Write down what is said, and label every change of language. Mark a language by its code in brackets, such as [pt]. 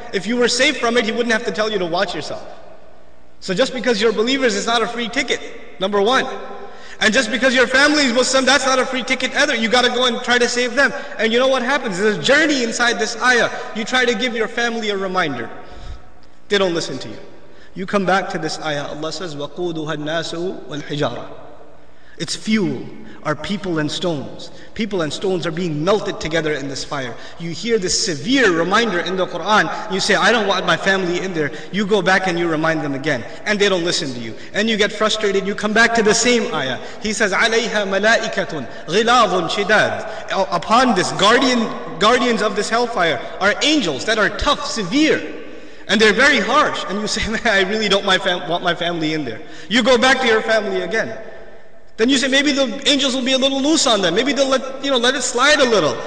[en] If you were safe from it, He wouldn't have to tell you to watch yourself. So just because you're believers is not a free ticket, number one. And just because your family is Muslim, that's not a free ticket either. You gotta go and try to save them. And you know what happens? There's a journey inside this ayah. You try to give your family a reminder. They don't listen to you. You come back to this ayah. Allah says, [ar] وَقُودُهَا النَّاسُ وَالْحِجَارَةُ. [en] It's fuel, are people and stones. People and stones are being melted together in this fire. You hear this severe reminder in the Quran. You say, I don't want my family in there. You go back and you remind them again. And they don't listen to you. And you get frustrated. You come back to the same ayah. He says, [ar] عَلَيْهَا مَلَائِكَةٌ غِلَاظٌ شِدَادٌ. [en] Upon this, guardians of this hellfire are angels that are tough, severe. And they're very harsh. And you say, man, I really don't want my family in there. You go back to your family again. Then you say, maybe the angels will be a little loose on them. Maybe they'll let it slide a little.